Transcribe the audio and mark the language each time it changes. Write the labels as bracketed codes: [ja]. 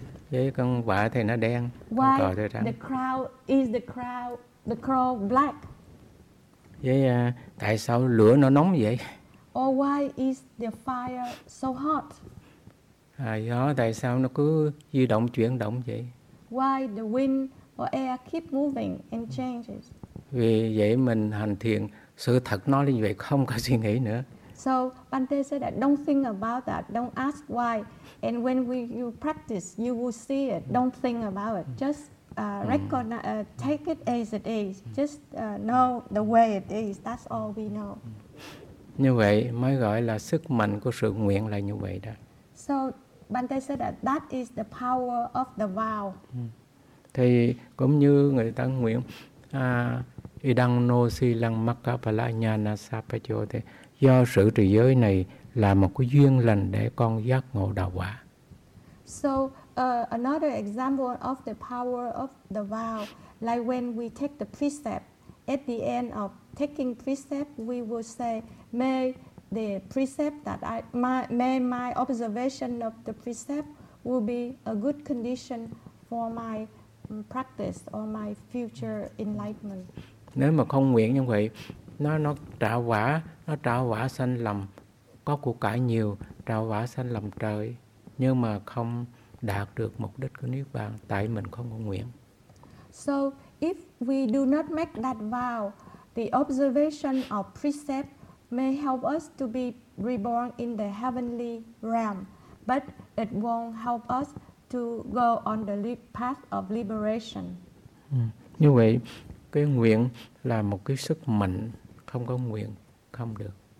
[vi] Vậy con quả thì nó đen, [en] why [vi] con cò thì trắng. [en] The crow is the crow black? [vi] Vậy tại sao lửa nó nóng vậy? [en] Or why is the fire so hot? [vi] Gió tại sao nó cứ di động chuyển động vậy? [en] Why the wind or air keep moving and changes? [vi] Vì vậy mình hành thiền, sự thật nó như vậy, không có suy nghĩ nữa. [en] So Bhante said that don't think about that, don't ask why. And when you practice, you will see it. Don't think about it. Just recognize, take it as it is. Just know the way it is. That's all we know. [vi] Như vậy mới gọi là sức mạnh của sự nguyện là như vậy đó. [en] So Bhante said that that is the power of the vow. [vi] Thì cũng như người ta nguyện [pi] idang no si lang makka pala ñana sapajote. [vi] Do sự trì giới này là một cái duyên lành để con giác ngộ đạo quả. [en] So another example of the power of the vow, like when we take the precept, at the end of taking precept, we will say, may the precept that my observation of the precept will be a good condition for my practice or my future enlightenment. [vi] Nếu mà không nguyện như vậy, nó trả quả sanh lầm, có của cải nhiều, trả quả sanh lầm trời, nhưng mà không đạt được mục đích của Niết Bàn tại mình không có nguyện. [en] So if we do not make that vow, the observation of precept may help us to be reborn in the heavenly realm, but it won't help us to go on the path of liberation. [vi] Như vậy, cái nguyện là một cái sức mạnh, không có nguyện không được.